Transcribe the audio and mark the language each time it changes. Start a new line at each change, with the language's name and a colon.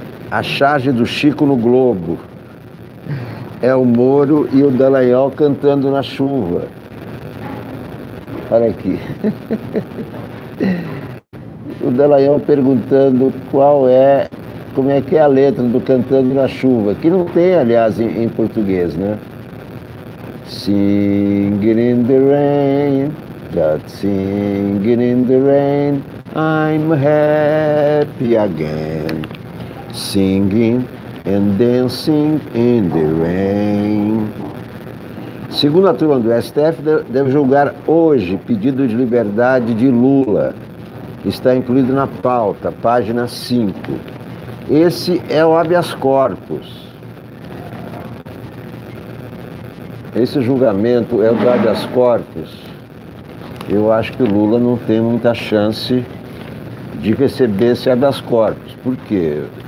Portuguese: A charge do Chico no Globo é o Moro e o Dallagnol cantando na chuva. Olha aqui. O Dallagnol perguntando como é que é a letra do Cantando na Chuva, que não tem, aliás, em português, né?
English: Singing in the rain, just singing in the rain, I'm happy again. Singing and dancing in the rain.
Portuguese: Segundo a turma do STF, deve julgar hoje pedido de liberdade de Lula. Está incluído na pauta, página 5. Esse é o habeas corpus. Esse julgamento é o do habeas corpus. Eu acho que o Lula não tem muita chance de receber esse habeas corpus. Por quê?